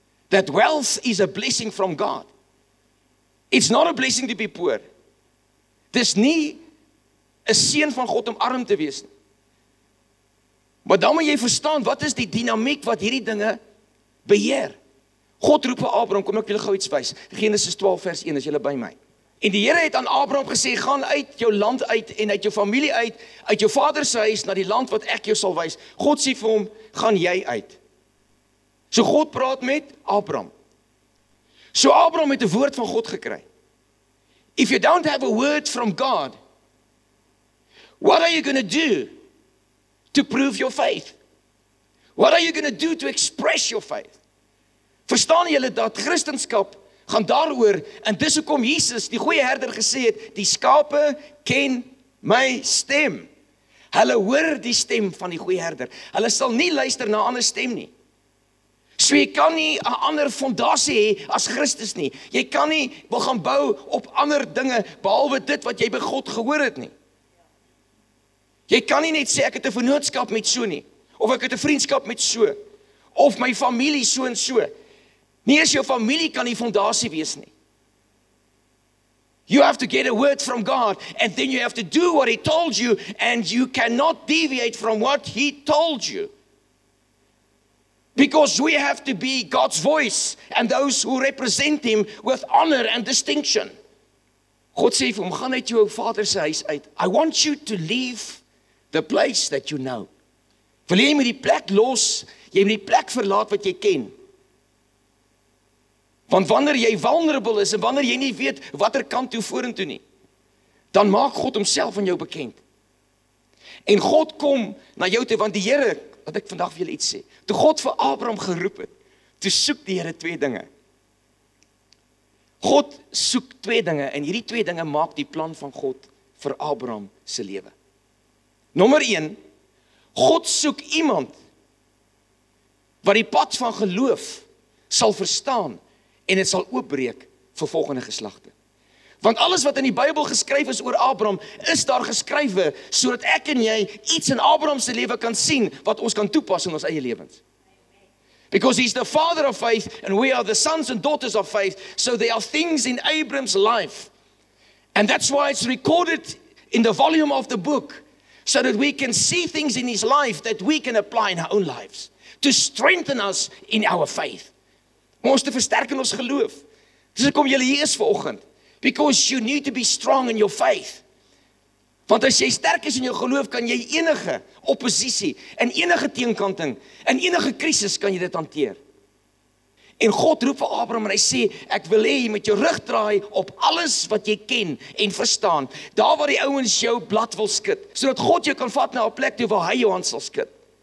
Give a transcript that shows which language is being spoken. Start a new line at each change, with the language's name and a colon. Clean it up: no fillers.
English: That wealth is a blessing from God. It's not a blessing to be poor.
Afrikaans: Dis nie 'n seën van God om arm te wees nie. Maar dan moet jy verstaan, wat is die dinamiek wat hierdie dinge beheer? God roep vir Abraham, kom ek julle gou iets wys. Genesis 12 vers 1, is julle by my? En die Here het aan Abraham gesê, gaan uit jou land uit en uit jou familie uit, uit jou vader se huis, na die land wat ek jou sal wys. God sê vir hom, gaan jy uit. So God praat met Abraham. So Abraham het 'n woord van God gekry.
English: If you don't have a word from God, what are you going to do to prove your faith? What are you going to do to express your faith?
Afrikaans: Verstaan julle dat Christendom gaan daaroor, en dis hoekom Jesus, die goeie herder, gesê het, die skape ken my stem. Hulle hoor die stem van die goeie herder. Hulle sal nie luister na 'n ander stem nie. So jy kan nie 'n ander fondasie hê as Christus nie. Jy kan nie wil gaan bou op ander dinge behalwe dit wat jy by God gehoor het nie. Jy kan nie net sê ek het 'n vennootskap met so nie, of ek het 'n vriendskap met so, of my familie so en so. Nie eens jou familie kan die fondasie wees nie.
English: You have to get a word from God, and then you have to do what he told you, and you cannot deviate from what he told you. Because we have to be God's voice and those who represent him with honor and distinction.
Afrikaans: God sê vir hom, gaan uit jou vader se huis uit.
English: I want you to leave the place that you know.
Afrikaans: Wil jy met die plek los, jy moet die plek verlaat wat jy ken. Want wanneer jy vulnerable is en wanneer jy nie weet watter kant toe vorentoe nie, dan maak God homself aan jou bekend. En God kom na jou toe, want die Here, wat ek vandag vir julle iets sê, toe God vir Abraham geroep het, toe soek die Here twee dinge. God soek twee dinge, en hierdie twee dinge maak die plan van God vir Abraham se lewe. Nommer 1, God soek iemand wat die pad van geloof sal verstaan, en het sal oopbreek vir volgende geslagte. Want alles wat in die Bybel geskryf is oor Abraham, is daar geskrywe, sodat ek en jy iets in Abraham se lewe kan sien, wat ons kan toepas in ons eie lewens.
English: Because he's the father of faith, and we are the sons and daughters of faith, so there are things in Abraham's life. And that's why it's recorded in the volume of the book, so that we can see things in his life that we can apply in our own lives, to strengthen us in our faith.
Afrikaans: Om ons te versterk in ons geloof. Dis hoekom jy hier is vanoggend.
English: Because you need to be strong in your faith.
Afrikaans: Want as jy sterk is in jou geloof, kan jy enige oppositie en enige teenkanting en enige krisis kan jy dit hanteer. En God roep vir Abraham en hy sê, ek wil hê jy moet jou rug draai op alles wat jy ken en verstaan. Daar waar die ouens jou blad wil skud, sodat God jou kan vat na 'n plek toe waar hy jou hand sal skud.